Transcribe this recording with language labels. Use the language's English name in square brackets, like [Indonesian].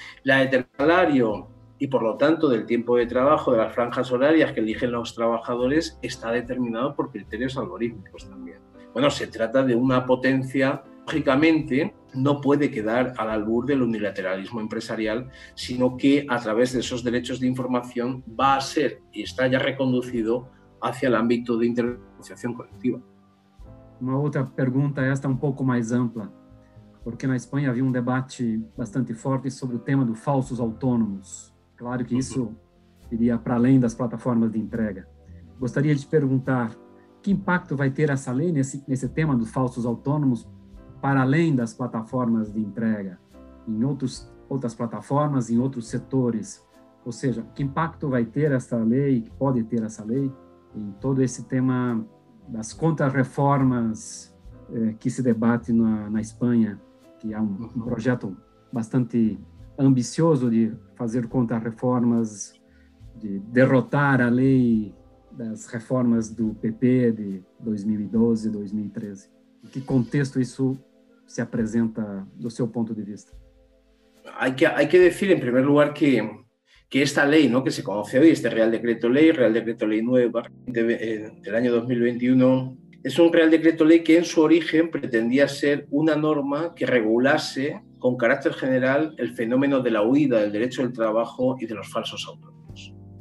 [Spanish] La determinación del salario y, por lo tanto, del tiempo de trabajo, de las franjas horarias que eligen los trabajadores, está determinado por criterios algorítmicos también. Bueno, se trata de una potencia, lógicamente, no puede quedar al albur del unilateralismo empresarial, sino que a través de esos derechos de información va a ser y está ya reconducido hacia el ámbito de intermediación colectiva. [Portuguese] Uma outra pergunta, esta um pouco mais ampla, porque na Espanha havia um debate bastante forte sobre o tema dos falsos autônomos. Claro que isso iria para além das plataformas de entrega. Gostaria de perguntar, que impacto vai ter essa lei nesse tema dos falsos autônomos para além das plataformas de entrega, em outras plataformas, em outros setores? Ou seja, que impacto vai ter essa lei, que pode ter essa lei, em todo esse tema das contrarreformas que se debate na Espanha, que é um projeto bastante ambicioso de fazer contrarreformas, de derrotar a lei das reformas do PP de 2012, 2013. Em que contexto isso se apresenta do seu ponto de vista? [Spanish] Hay que decir, [Portuguese] em primeiro lugar, [Spanish] que esta ley, ¿no?, que se conoce hoy, este Real Decreto Ley 9 del año 2021, es un Real Decreto Ley que en su origen pretendía ser una norma que regulase con carácter general el fenómeno de la huida del derecho del trabajo y de los falsos autónomos.